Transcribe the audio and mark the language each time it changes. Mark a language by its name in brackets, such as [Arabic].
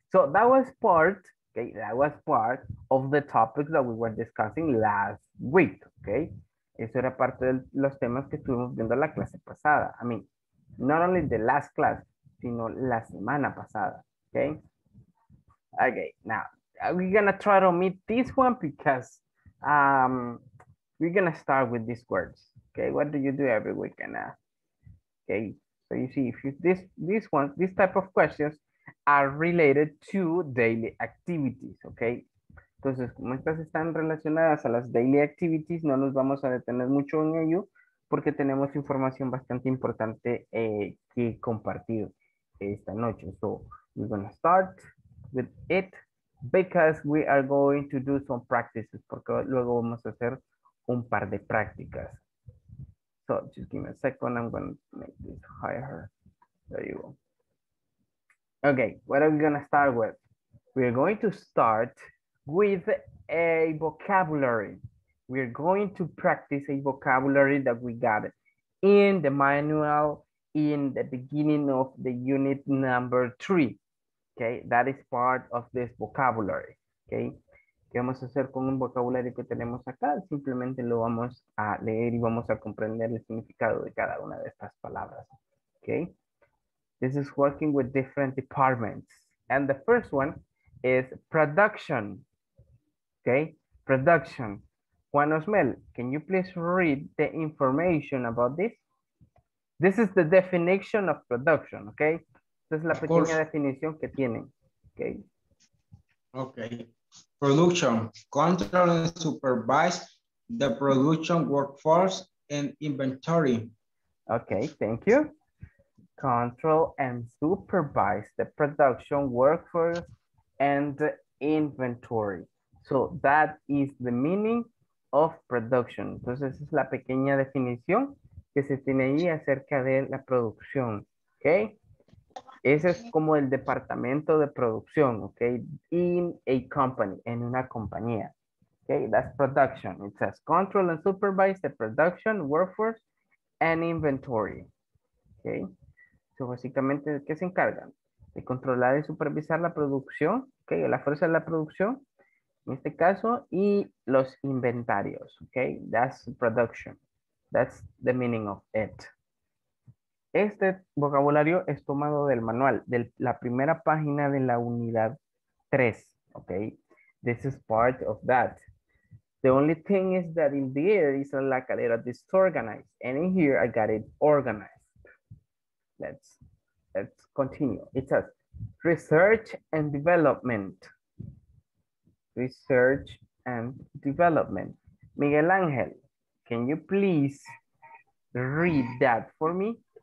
[English] So that was part, okay, that was part of the topic that we were discussing last week, okay? [Spanish] Eso era parte de los temas que estuvimos viendo la clase pasada. [English] I mean, not only the last class, [Spanish] sino la semana pasada. [English] Okay? Okay, now, we're going to try to omit this one because we're going to start with these words. Okay, what do you do every week? Okay, so you see, if you, this type of questions are related to daily activities, okay? [Spanish] Entonces, como estas están relacionadas a las daily activities, no nos vamos a detener mucho en ello porque tenemos información bastante importante que compartir esta noche. [English] So, we're going to start with it because we are going to do some practices [Spanish] porque luego vamos a hacer un par de prácticas. [English] So, just give me a second, I'm going to make this higher. There you go. Okay, what are we going to start with? We're going to start with a vocabulary. We're going to practice a vocabulary that we got in the manual in the beginning of the unit number 3. Okay, that is part of this vocabulary. [Spanish] Okay, ¿qué vamos a hacer con un vocabulario que tenemos acá? Simplemente lo vamos a leer y vamos a comprender el significado de cada una de estas palabras. [English] Okay, this is working with different departments. And the first one is production. Okay, production. Juan Osmel, can you please read the information about this? This is the definition of production, okay? [Spanish] Esta es la pequeña definición que tienen, okay? [English] Okay, production, control and supervise the production workforce and inventory. Okay, thank you. Control and supervise the production workforce and inventory. So that is the meaning of production. [Spanish] Entonces, es la pequeña definición que se tiene ahí acerca de la producción, ¿ok? Ese es como el departamento de producción, ¿ok? [English] In a company, [Spanish] en una compañía, [English] ¿ok? That's production. It says control and supervise the production, workforce, and inventory, ¿ok? [Spanish] So, básicamente, ¿qué se encargan? De controlar y supervisar la producción, ¿ok? La fuerza de la producción. En este caso, y los inventarios, okay? [English] That's production. That's the meaning of it. [Spanish] Este vocabulario es tomado del manual, de la primera página de la unidad 3, okay? [English] This is part of that. The only thing is that in there is a lacadera disorganized, and in here I got it organized. Let's continue. It says research and development. Research and development. Miguel Ángel, can you please read that for me?